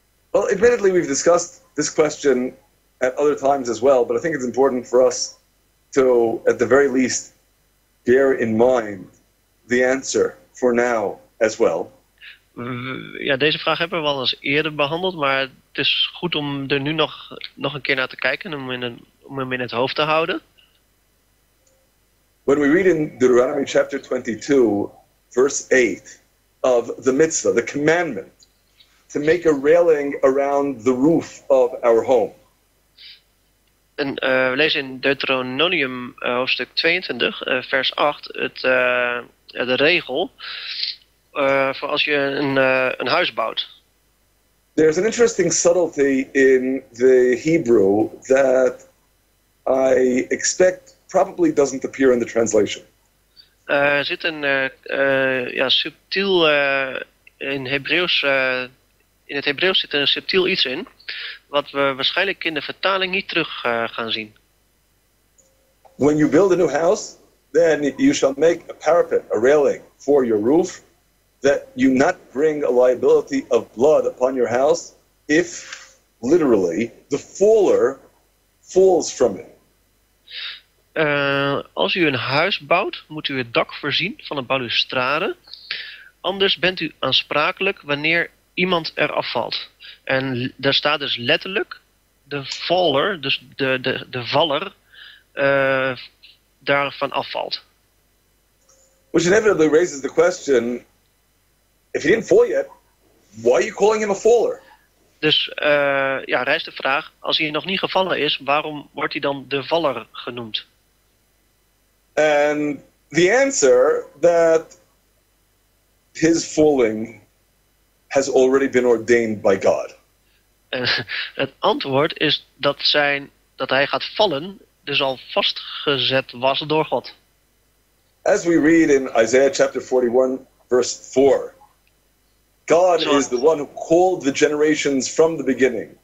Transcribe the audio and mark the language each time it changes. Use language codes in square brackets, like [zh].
[en] Well, admittedly, we've discussed this question at other times as well, but I think it's important for us to, at the very least, bear in mind the answer for now as well. [nl] Ja, deze vraag hebben we al eens eerder behandeld, maar het is goed om er nu nog een keer naar te kijken, om hem in het hoofd te houden. [en] When we read in Deuteronomy chapter 22, verse 8, of the mitzvah, the commandment, to make a railing around the roof of our home. [nl] En we lezen in Deuteronomium hoofdstuk 22, vers 8, de regel. voor als je een huis bouwt. [en] There's an interesting subtlety in the Hebrew that I expect probably doesn't appear in the translation. [nl] Er zit een subtiel in Hebreeuws in het Hebreeuws zit er een subtiel iets in wat we waarschijnlijk in de vertaling niet terug gaan zien. [en] When you build a new house, then you shall make a parapet, a railing for your roof, that you not bring a liability of blood upon your house if literally the faller falls from it. [nl] Als u een huis bouwt, moet u het dak voorzien van een balustrade. Anders bent u aansprakelijk wanneer iemand er afvalt. En daar staat dus letterlijk de faller, dus de valler, daarvan afvalt. [en] Which inevitably raises the question, if he didn't fall yet, why are you calling him a faller? [nl] Dus rijst de vraag, als hij nog niet gevallen is, waarom wordt hij dan de valler genoemd? [en] And the answer that his falling has already been ordained by God. [nl] Het antwoord is dat dat hij gaat vallen, dus al vastgezet was door God. [en] As we read in Isaiah chapter 41, verse 4, God is the one who called the generations from the beginning.